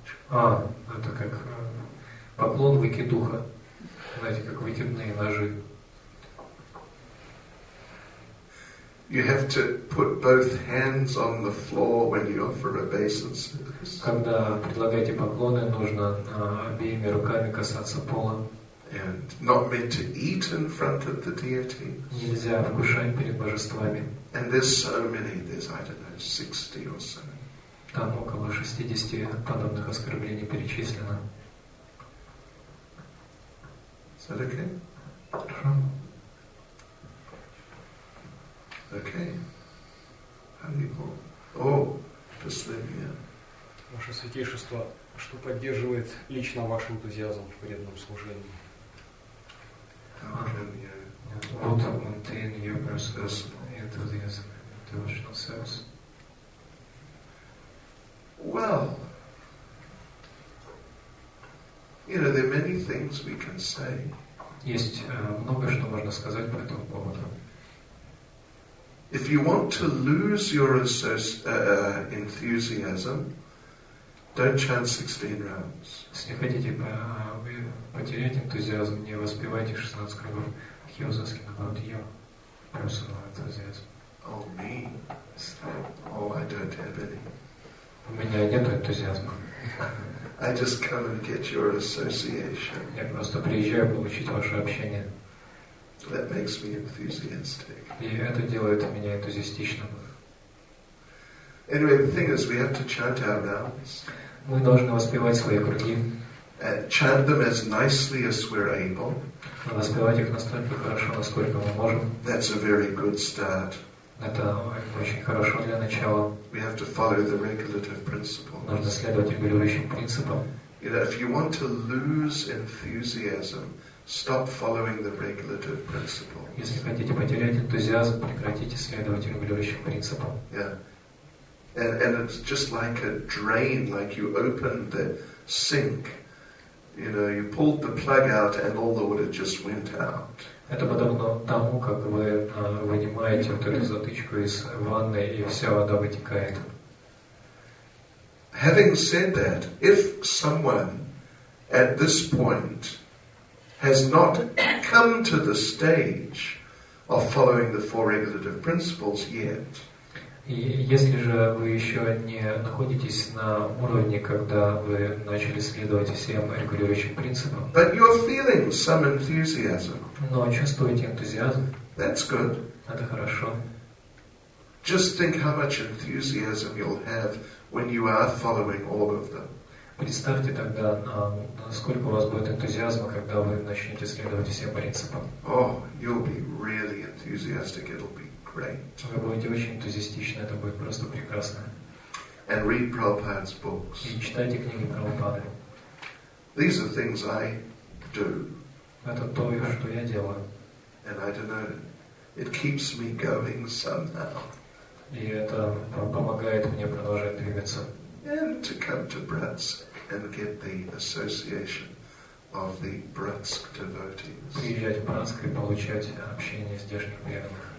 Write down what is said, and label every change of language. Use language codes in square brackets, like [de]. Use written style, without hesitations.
[ru] А, это как поклон выкидуха. Знаете, как выкидные ножи. [en] You have to put both hands on the floor when you offer obeisances. [ru] Когда предлагаете поклоны, нужно обеими руками касаться пола. [en] And not meant to eat in front of the deity. [ru] Нельзя вкушать перед божествами. [en] And there's so many, there's, I don't know, 60 or so. [ru] Там около 60 подобных оскорблений перечислено. [en] Is that okay? [ru] Хорошо. [en] Okay. How do you go? Oh, [ru] последний. Ваше святейшество, что поддерживает лично ваш энтузиазм в преданном служении? [en] How can you... What to maintain your personal enthusiasm in devotional service? Well, you know, there are many things we can say. [ru] Есть много, что можно сказать по этому поводу. [en] If you want to lose your enthusiasm, don't chant 16 rounds. [ru] Если хотите потерять энтузиазм, не воспевайте 16 кругов. [en] He was asking about your personal enthusiasm. Oh, me? Oh, I don't have any. [ru] У меня нет энтузиазма. [en] I just come and get your association. [ru] Я просто приезжаю получить ваше общение. [en] That makes me enthusiastic. [ru] И это делает меня энтузиастичным. [en] Anyway, the thing is, we have to chant our vows. [ru] Мы должны воспевать свои круги. [en] And chant them as nicely as we're able. [ru] Воспевать их настолько хорошо, насколько мы можем. [en] That's a very good start. [ru] Это очень хорошо для начала. [en] We have to follow the regulative principle. [ru] Нужно следовать регулирующим принципам. [en] You know, if you want to lose enthusiasm, stop following the regulative principle. [ru] Если хотите потерять энтузиазм, прекратите следовать регулирующим принципам. [en] Yeah. And it's just like a drain, like you open the sink. You know, you pulled the plug out and all the water just went out. [ru] Это подобно тому, как вы вынимаете вот эту затычку из ванны, и вся вода вытекает. [en] Having said that, if someone at this point has not come to the stage of following the four regulative principles yet, [ru] И если же вы еще не находитесь на уровне, когда вы начали следовать всем регулирующим принципам, [en] but you're feeling some enthusiasm, [ru] но чувствуете энтузиазм, [en] that's good. [ru] Это хорошо. [en] Just think how much enthusiasm you'll have when you are following all of them. [ru] Представьте тогда, насколько у вас будет энтузиазма, когда вы начнете следовать всем принципам. [en] Oh, you'll be really enthusiastic. It'll be great. [ru] Вы будете очень энтузиастичны, это будет просто прекрасно. [en] And read Prabhupada's books. [ru] И читайте книги Прабхупады. [en] These are things I do. [ru] Это то, что я делаю. [en] And I don't know, it keeps me going somehow. [ru] И это помогает мне продолжать двигаться. [en] And to come to Bratsk and get the association of the Bratsk devotees. [ru] Приезжать в Братск и получать общение здешних преданных.